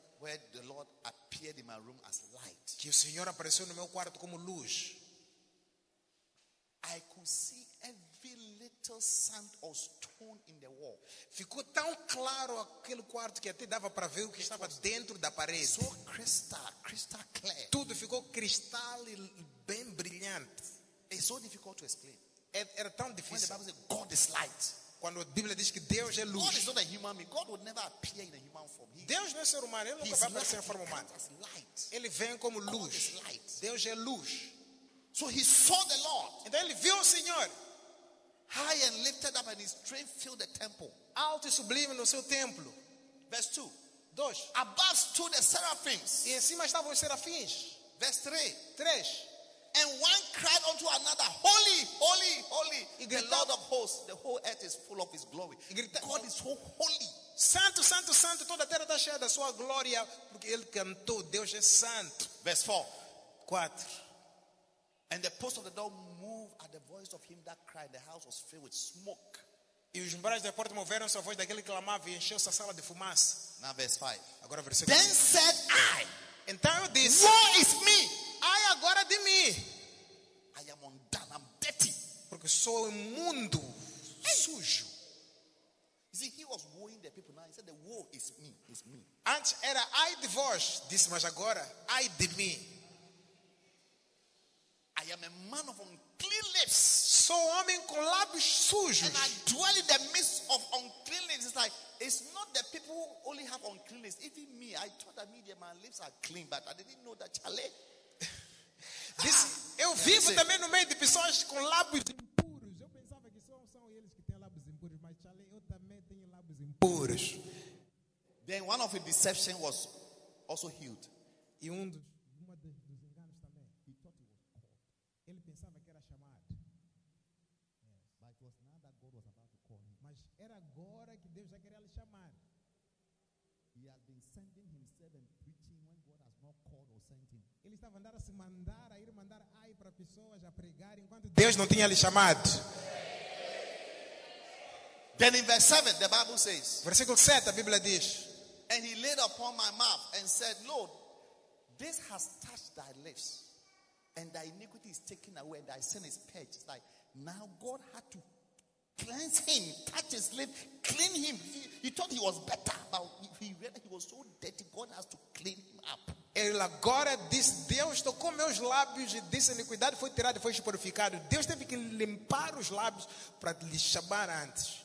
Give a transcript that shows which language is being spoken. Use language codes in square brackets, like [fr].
[en] Where the Lord appeared in my room as light. [pt] Que o Senhor apareceu no meu quarto como luz. [en] I could see every little sand or stone in the wall. [pt] Ficou tão claro aquele quarto que até dava para ver o que it estava dentro da parede. [en] So crystal clear. [pt] Tudo ficou cristal e bem brilhante. [en] It's so difficult to explain. [pt] Era tão difícil. [en] When the Bible says God is light. [pt] Quando a Bíblia diz que Deus é luz. [en] God is not a human being. God would never appear in a human form. [pt] Deus não é ser humano. Ele nunca vai aparecer em forma humana. [en] Light. [pt] Ele vem como luz. [en] God is light. [pt] Deus é luz. [en] So he saw the Lord. [pt] Então ele viu o Senhor. [en] High and lifted up and his train filled the temple. [pt] Alto e sublime no seu templo. [en] Verse 2. 2. Above stood the seraphims. [pt] E em cima estavam os serafins. [en] Verse 3. 3. And one cried unto another, holy, holy, holy, the Lord of hosts, the whole earth is full of his glory. God is so holy. [pt] Santo, santo, santo, toda a terra está cheia da sua glória, porque ele cantou, Deus é santo. [en] Verse 4. 4. And the post of the door moved at the voice of him that cried, the house was filled with smoke. [pt] E os umbrais da porta moveram-se à voz daquele que clamava e encheu-se a sala de fumaça. [en] Now verse 5. [pt] Agora versículo [en] then 5. Said I. [pt] Então eu disse, [en] woe is me. [pt] Ai agora de mim. [en] I am undone, I'm dirty. [pt] Porque sou imundo, sujo. [en] You see, he was wooing the people now. He said, the woe is me, it's me. [pt] Antes era ai de vós, disse, mas agora, ai de mim. [en] I am a man of unclean lips. [pt] Sou homem com lábios sujos. [en] And I dwell in the midst of unclean lips. It's like, it's not the people who only have uncleanness. Even me, I thought that me, that my lips are clean, but I didn't know that chale. [pt] Disse, eu vivo também no meio de pessoas com lábios impuros. Eu pensava que só são eles que têm lábios impuros, mas chale, eu também tenho lábios impuros. [en] Then one of his deception was also healed. [pt] E uma dos enganos também. [en] He thought he was called. [pt] Ele pensava que era chamado. [en] But it was not that God was about to call him. [pt] Mas era agora que Deus já queria lhe chamar. [en] He had been sending himself and preaching when God has not called or sent him. [pt] Ele estava andando a se mandar, a ir mandar ai para pessoas, a pregar, enquanto Deus não tinha lhe chamado. [en] Then in verse 7, the Bible says, [pt] versículo 7, a Bíblia diz, [en] and he laid upon my mouth and said, Lord, this has touched thy lips, and thy iniquity is taken away, and thy sin is purged. It's like, now God had to cleanse him, touch his lips, clean him. He thought he was better, but he realized he was so dirty, God has to clean him up. [pt] Ele agora disse, Deus tocou meus lábios e disse, a iniquidade foi tirada e foi purificada. Deus teve que limpar os lábios para lhe chamar antes.